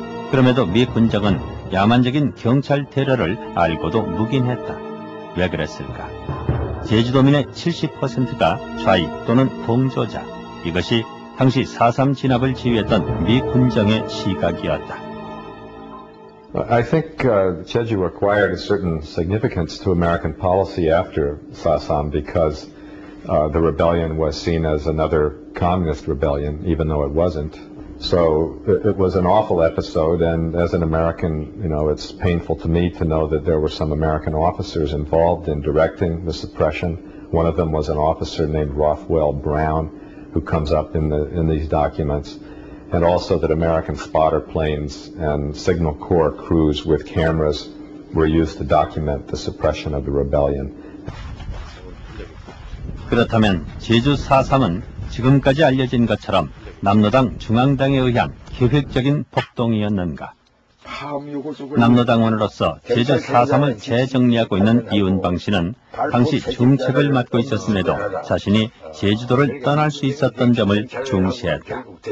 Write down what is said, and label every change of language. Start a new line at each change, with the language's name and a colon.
Korean: 그럼에도 미 군정은 야만적인 경찰 테러를 알고도 묵인했다. 왜 그랬을까? 제주도민의 70%가 좌익 또는 동조자. 이것이 당시 4.3 진압을 지휘했던 미 군정의 시각이었다.
English: I think Jeju acquired a certain significance to American policy after Sasam because the rebellion was seen as another communist rebellion, even though it wasn't. So it was an awful episode, and as an American, you know, it's painful to me to know that there were some American officers involved in directing the suppression. One of them was an officer named Rothwell Brown, who comes up in these documents. And also that American spotter planes and Signal Corps crews with cameras were used to document the suppression of the rebellion.
Korean: 그렇다면 제주 4.3은 지금까지 알려진 것처럼 남로당 중앙당에 의한 계획적인 폭동이었는가? 남로당원으로서 제주 4.3을 재정리하고 있는 이운방 씨는 당시 중책을 맡고 있었음에도 자신이 제주도를 떠날 수 있었던 점을 중시했다.